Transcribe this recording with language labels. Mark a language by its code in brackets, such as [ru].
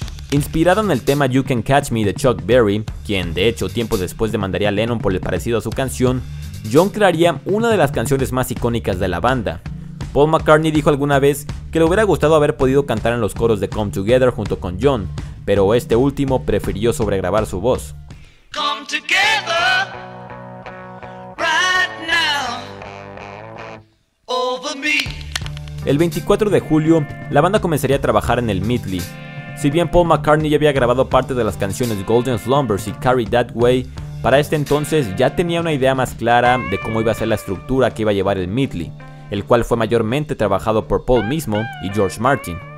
[es] Inspirado en el tema You Can Catch Me de Chuck Berry, quien de hecho tiempo después demandaría a Lennon por el parecido a su canción, John crearía una de las canciones más icónicas de la banda. Paul McCartney dijo alguna vez que le hubiera gustado haber podido cantar en los coros de Come Together junto con John, pero este último prefirió sobregrabar su voz. [en] Come together right now, over me. [es] El 24 de julio, la banda comenzaría a trabajar en el Meatly. Si bien Paul McCartney ya había grabado parte de las canciones Golden Slumbers y Carry That Way, para este entonces ya tenía una idea más clara de cómo iba a ser la estructura que iba a llevar el Meatly, el cual fue mayormente trabajado por Paul mismo y George Martin.